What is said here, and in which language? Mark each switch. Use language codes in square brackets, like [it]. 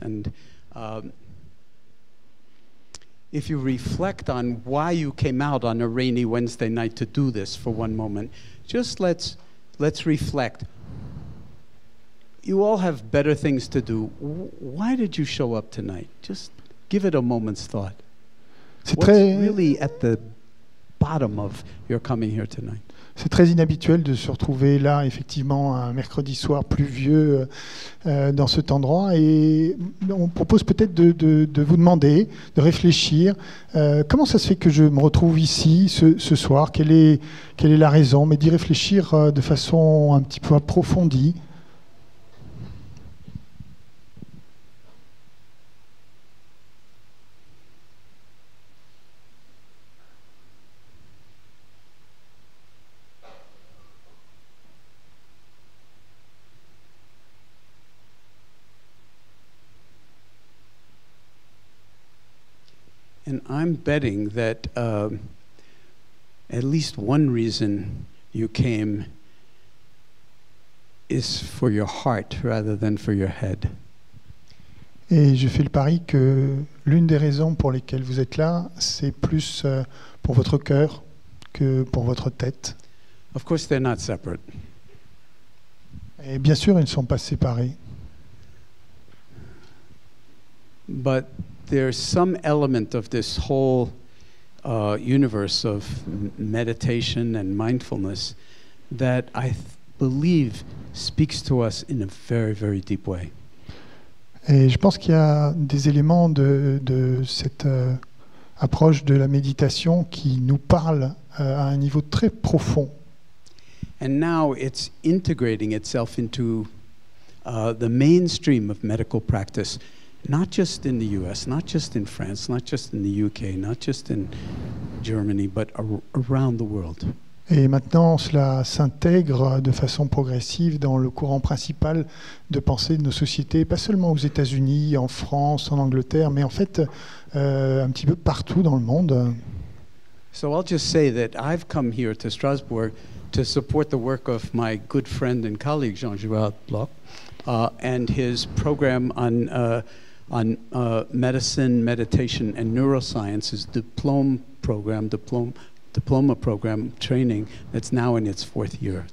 [en] And if you reflect on why you came out on a rainy Wednesday night to do this for one moment, just let's reflect. You all have better things to do. Why did you show up tonight? Just give it a moment's thought. [fr] C'est [en] what's [fr] très [en] really at the bottom of your coming here tonight? [fr] C'est très inhabituel de se retrouver là, effectivement, un mercredi soir pluvieux dans cet endroit. Et on propose peut-être de vous demander, de réfléchir. Comment ça se fait que je me retrouve ici ce soir? Quelle est la raison? Mais d'y réfléchir de façon un petit peu approfondie. [en] And I'm betting that at least one reason you came is for your heart rather than for your head. [fr] Et je fais le pari que l'une des raisons pour lesquelles vous êtes là, c'est plus pour votre cœur que pour votre tête. [en] Of course, they're not separate. [fr] Et bien sûr, ils ne sont pas séparés. [en] But there's some element of this whole universe of meditation and mindfulness that I believe speaks to us in a very, very deep way. [fr] Et je pense qu'il y a des éléments de cette approche de la méditation qui nous parle à un niveau très profond. [en] And now it's integrating itself into the mainstream of medical practice. not just in the US, not just in France, not just in the UK, not just in Germany, but around the world. [fr] Et maintenant, cela s'intègre de façon progressive dans le courant principal de pensée de nos sociétés, pas seulement aux États-Unis, en France, en Angleterre, mais en fait un petit peu partout dans le monde. [en] So I'll just say that I've come here to Strasbourg to support the work of my good friend and colleague Jean-Gérard Bloch and his program on medicine, meditation and neurosciences diploma program training that's now in its fourth year.